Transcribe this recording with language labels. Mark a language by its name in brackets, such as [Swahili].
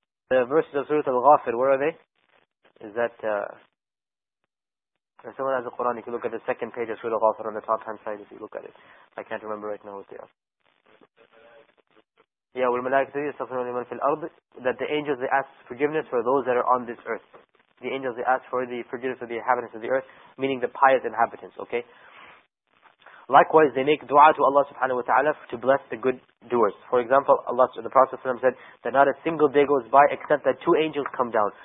[English] The verses of Surah Al-Ghafir, where are they? Is that, if someone has the Quran, you can look at the second page of Surah Al-Ghafir on the top hand side if you look at it. I can't remember right now what they are. [Arabic] Yeah, وَالْمَلَائِكَةُ يَسْتَغْفِرُونَ لِمَنْ فِي الْأَرْضِ. [English] That the angels, they ask forgiveness for those that are on this earth. The angels, they ask for the forgiveness of the inhabitants of the earth, meaning the pious inhabitants, okay? Likewise, they make dua to Allah subhanahu wa ta'ala to bless the good doers. For example, Allah, the Prophet ﷺ said that not a single day goes by except that two angels come down.